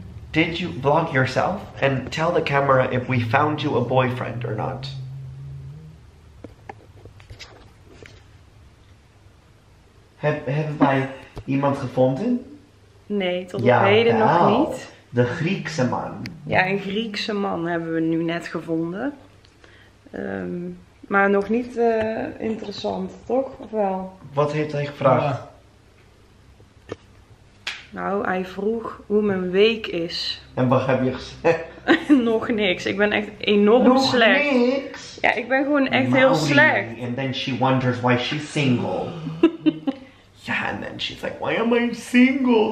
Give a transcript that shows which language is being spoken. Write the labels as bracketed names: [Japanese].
[English] Did you vlog yourself and tell the camera if we found you a boyfriend or not? [Dutch] Hebben wij iemand gevonden? Nee, tot op heden nog niet. De Griekse man. Ja, een Griekse man hebben we nu net gevonden. Maar nog niet interessant, toch? Of wel? Wat heeft hij gevraagd? Nou, hij vroeg hoe mijn week is. En wat heb je gezegd? Nog niks. Ik ben echt enorm Nog slecht. Nog niks? Ja, ik ben gewoon echt Maudie. Heel slecht. [English] And then she wonders why she's single. Ja, yeah, and then she's like, why am I single?